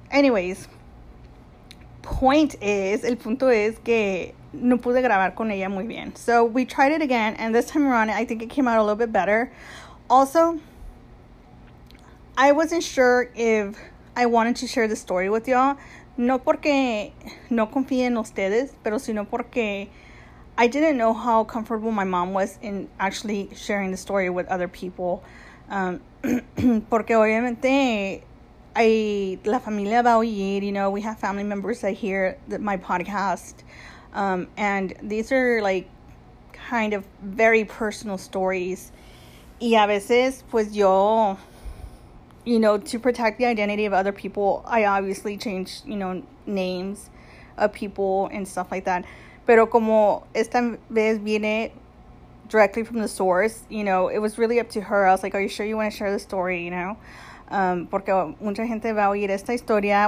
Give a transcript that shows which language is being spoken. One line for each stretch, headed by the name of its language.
English: Anyways, point is,
Spanish: el punto es que no pude grabar con ella muy bien.
English: So we tried it again, and this time around, I think it came out a little bit better. Also, I wasn't sure if I wanted to share the story with y'all.
Spanish: No porque no confíe en ustedes, pero sino porque
English: I didn't know how comfortable my mom was in actually sharing the story with other people.
Spanish: porque obviamente la familia va a oír,
English: you know, we have family members that hear my podcast. And these are like kind of very personal stories.
Spanish: Y a veces, pues yo,
English: you know, to protect the identity of other people, I obviously change, you know, names of people and stuff like that.
Spanish: Pero como esta vez viene
English: directly from the source, you know, it was really up to her. I was like, are you sure you want to share the story, you know?
Spanish: Porque mucha gente va a oír esta historia.